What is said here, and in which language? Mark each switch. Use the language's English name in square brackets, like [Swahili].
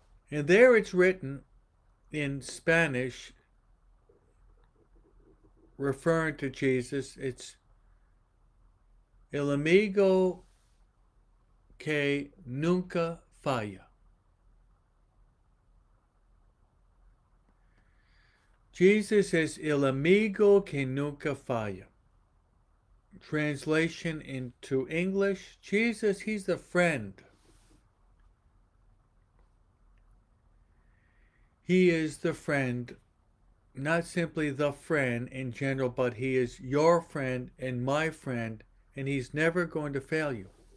[English] And there it's written in Spanish, referring to Jesus, it's [Spanish] El amigo que nunca falla. Jesus es el amigo que nunca falla. [English] Translation into English, Jesus, he's the friend. He is the friend, not simply the friend in general, but he is your friend and my friend, and he's never going to fail you.